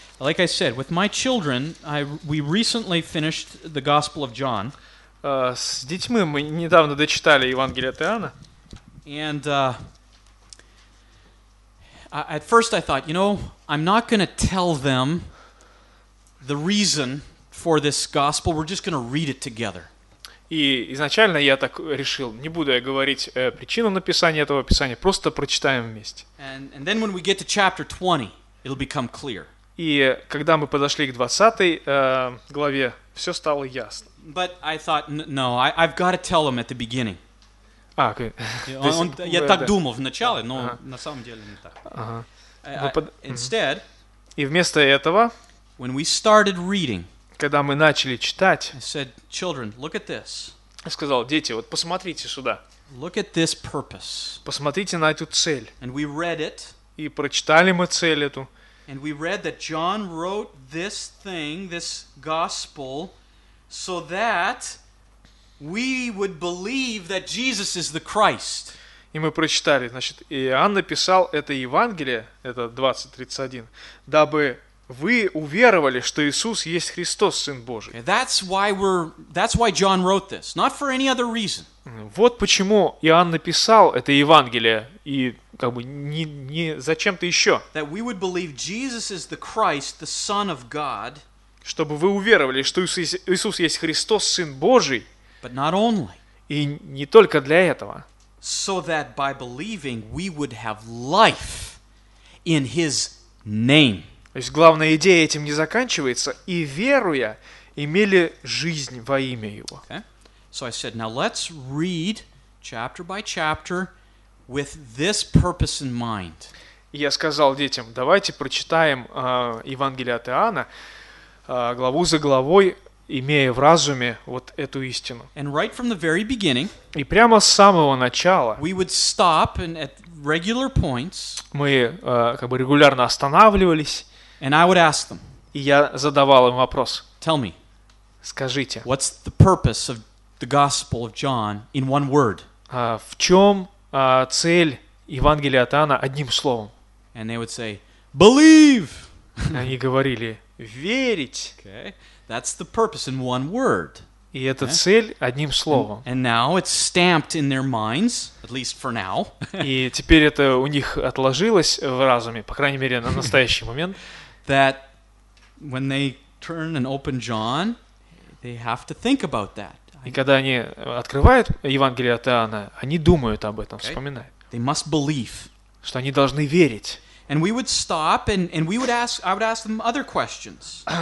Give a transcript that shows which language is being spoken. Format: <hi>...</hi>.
<en>Like I said, with my children, we recently finished the Gospel of John.</en> <ru>С детьми мы недавно дочитали Евангелие от Иоанна.</ru> <en>And at first I thought, you know, I'm not going to tell them the reason for this Gospel. We're just going to read it together.</en> <ru>И изначально я так решил, не буду я говорить причину написания этого писания, просто прочитаем вместе.</ru> <en>And then when we get to chapter 20, it'll become clear.</en> <ru>И когда мы подошли к 20 главе, все стало ясно.</ru> <en>But I thought, no, I've got to tell them at the beginning. А,</en> <ru>я так думал в начале, но на самом деле не так.</ru> <en>Instead,</en> <ru>и вместо этого,</ru> <en>when we started reading,</en> <ru>когда мы начали читать,</ru> <en>I said, children, look at this.</en> <ru>Я сказал, дети, вот посмотрите сюда.</ru> <en>Look at this purpose.</en> <ru>Посмотрите на эту цель.</ru> <en>And we read it.</en> <ru>И прочитали мы цель эту.</ru> <en>And we read that John wrote this thing, this gospel, so that we would believe that Jesus is the Christ.</en> <ru>И мы прочитали, значит, Иоанн написал это Евангелие, это 20:31, дабы Вы уверовали, что Иисус есть Христос, Сын Божий.</ru> <en>Okay, that's why John wrote this, not for any other reason.</en> <ru>Вот почему Иоанн написал это Евангелие и как бы не зачем-то еще.</ru> <en>That we would believe Jesus is the Christ, the Son of God.</en> <ru>Чтобы вы уверовали, что Иисус есть Христос, Сын Божий.</ru> <en>But not only.</en> <ru>И не только для этого.</ru> <en>So that by believing we would have life in His name.</en> <ru>То есть главная идея этим не заканчивается. И веруя, имели жизнь во имя Его.</ru> <en>Okay. So I said, now let's read chapter by chapter with this purpose in mind.</en> <ru>Я сказал детям, давайте прочитаем Евангелие от Иоанна главу за главой, имея в разуме вот эту истину.</ru> <en>And right from the very beginning,</en> <ru>и прямо с самого начала</ru> <en>we would stop and at regular points,</en> <ru>мы как бы регулярно останавливались.</ru> <en>And I would ask them,</en> <ru>и я задавал им вопрос.</ru> <en>Tell me,</en> <ru>скажите,</ru> <en>what's the purpose of the Gospel of John in one word?</en> <ru>В чем цель Евангелия от Иоанна одним словом?</ru> <en>And they would say, believe.</en> <ru>Они говорили, верить.</ru> <en>Okay, that's the purpose in one word.</en> <ru>И это цель одним словом.</ru> <en>And now it's stamped in their minds, at least for now.</en> <ru>И теперь это у них отложилось в разуме, по крайней мере, на настоящий момент.</ru> <en>That when they turn and open John, they have to think about that.</en> <ru>И когда они открывают Евангелие от Иоанна, они думают об этом, вспоминают.</ru> <en>They must believe.</en> <ru>Что они должны верить.</ru> <en>And we would stop and we would ask, I would ask them other questions.</en>